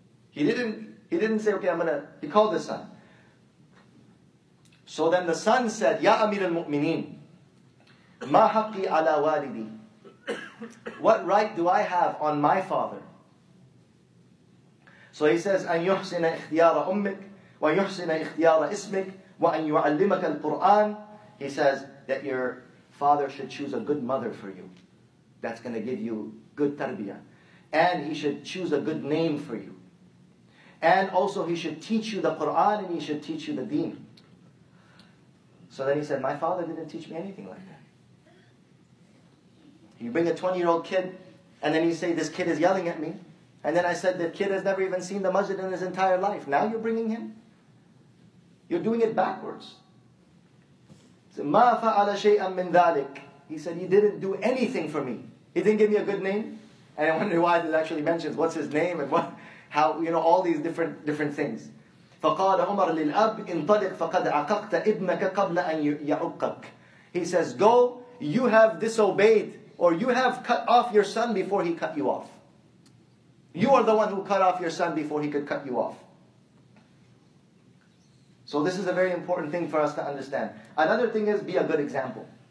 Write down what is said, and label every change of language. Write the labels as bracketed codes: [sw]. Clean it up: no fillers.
[en] He didn't say, okay, I'm going to... He called his son. So then the son said, [ar] Ya Amir al-Mu'mineen, Ma haqqi ala walidi. [en] What right do I have on my father? So he says, [ar] أَنْ يُحْسِنَ إِخْتِيَارَ أُمِّكَ وَيُحْسِنَ إِخْتِيَارَ إِسْمِكَ وَأَنْ يُعَلِّمَكَ الْقُرْآنَ. [en] He says that your father should choose a good mother for you. That's going to give you good tarbiyah. And he should choose a good name for you. And also he should teach you the Qur'an and he should teach you the deen. So then he said, my father didn't teach me anything like that. You bring a 20-year-old kid, and then you say, this kid is yelling at me. And then I said, the kid has never even seen the masjid in his entire life. Now you're bringing him? You're doing it backwards. He said, [ar] مَا فَعَلَ شَيْئًا مِّن ذَلِكَ. [en] He said, you didn't do anything for me. He didn't give me a good name. And I wonder why it actually mentions what's his name and what, how, you know, all these different things. [ar] فقال عمر للأب انطلق فقد عققت ابنك قبل أن يعقك. [en] He says, go, you have disobeyed, or you have cut off your son before he cut you off. You are the one who cut off your son before he could cut you off. So this is a very important thing for us to understand. Another thing is, be a good example.